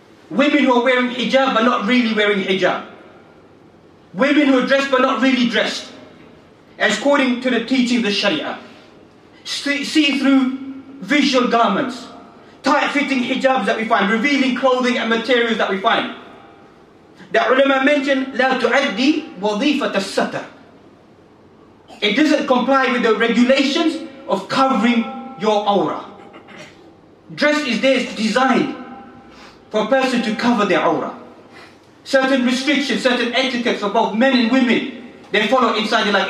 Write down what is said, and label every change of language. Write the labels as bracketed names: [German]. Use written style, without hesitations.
[English] Women who are wearing hijab but not really wearing hijab. Women who are dressed but not really dressed, as according to the teaching of the Sharia. See-through visual garments. Tight-fitting hijabs that we find. Revealing clothing and materials that we find. The ulama mentioned, [Arabic] لَا تُعَدِّي وَظِيفَةَ السَّتَرِ. [English] It doesn't comply with the regulations of covering your awrah. Dress is there, it's designed for a person to cover their aura. Certain restrictions, certain etiquettes for both men and women, they follow inside their life.